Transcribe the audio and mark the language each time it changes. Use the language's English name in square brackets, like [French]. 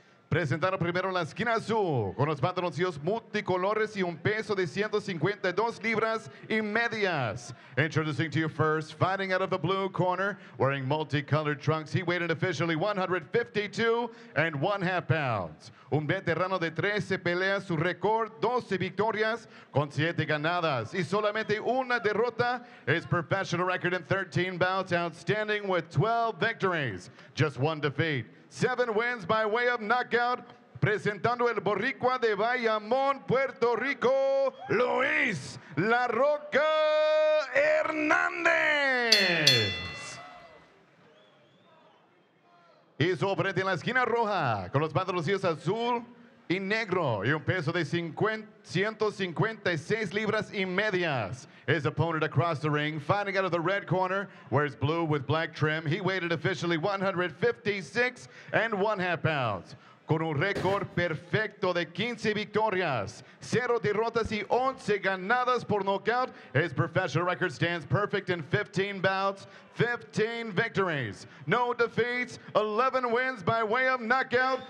[Spanish] Presentaron primero la esquina azul, con los pantaloncillos multicolores y un peso de 152 libras y medias. [English] Introducing to you first, fighting out of the blue corner, wearing multicolored trunks, he weighed in officially 152 and 1/2 pounds. [Spanish] Un veterano de 13 peleas, su récord, 12 victorias con 7 ganadas y solamente una derrota. [English] His professional record in 13 bouts, outstanding with 12 victories, just one defeat. 7 wins by way of knockout, [Spanish] presentando el Boricua de Bayamón, Puerto Rico, Luis La Roca Hernández. Y su oponente en la esquina roja, con los pantaloncillos azul y negro y un peso de 156 libras y medias. [English] His opponent across the ring, fighting out of the red corner, wears blue with black trim. He weighed officially 156 and 1/2 pounds. [Spanish] Con un récord perfecto de 15 victorias, 0 derrotas y 11 ganadas por knockout, [English] his professional record stands perfect in 15 bouts, 15 victories, no defeats, 11 wins by way of knockout.